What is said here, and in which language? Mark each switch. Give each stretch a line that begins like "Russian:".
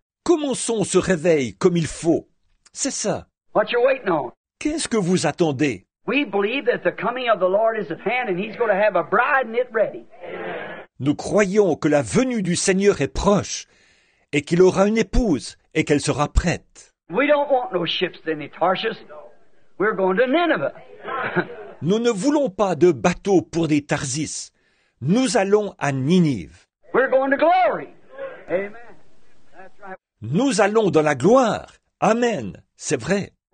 French: Commençons ce réveil comme il faut. C'est ça.
English: What you waiting on?
French: Qu'est-ce que vous attendez?
English: We believe that the coming of the Lord is at hand and he's going to have a bride knit ready.
French: Nous croyons que la venue du Seigneur est proche et qu'il aura une épouse et qu'elle sera prête.
English: We don't want no ships to any Tarshish. We're going to Nineveh.
French: Nous ne voulons pas de bateau pour des Tarsis. Nous allons à Ninive.
English: We're going to glory. Amen.
French: Nous allons dans la gloire. Amen. C'est vrai.